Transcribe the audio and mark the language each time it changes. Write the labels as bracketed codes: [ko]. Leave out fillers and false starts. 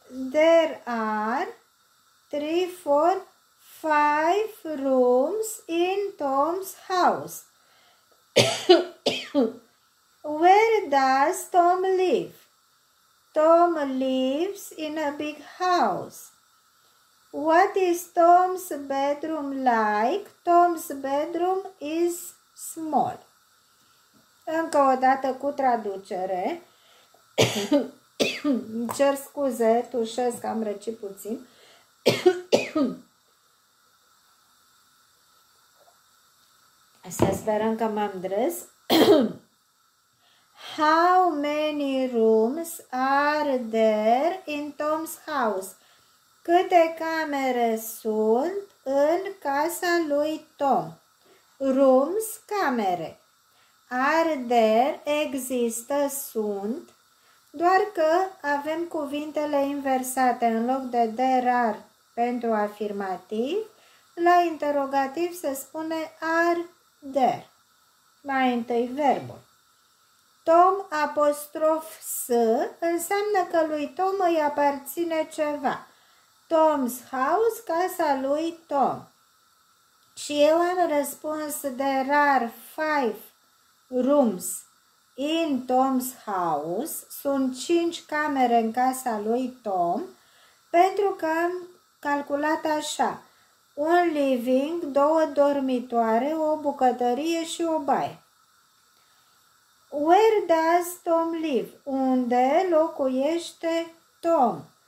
[en] There are 3, 4, 5 rooms in Tom's house. Where does Tom live? Tom lives in a big house. What is Tom's bedroom like? Tom's bedroom is small. [ro] Încă o dată cu traducere. Îmi cer scuze, tușesc, am răcit puțin. Să sperăm că m-am dres. [en] How many rooms are there in Tom's house? [ro] Câte camere sunt în casa lui Tom? Rooms, camere. [en] Are there, [ro] există, sunt. Doar că avem cuvintele inversate. În loc de [en] there are [ro] pentru afirmativ, la interrogativ se spune [en] are there. [ro] Mai întâi verbul. Tom apostrof s înseamnă că lui Tom îi aparține ceva. [en] Tom's house, [ro] casa lui Tom. Și eu am răspuns [en] there are five rooms in Tom's house. [ro] Sunt 5 camere în casa lui Tom, pentru că am calculat așa. Un living, 2 dormitoare, o bucătărie și o baie. [en] Where does Tom live? [ro] Unde locuiește Tom?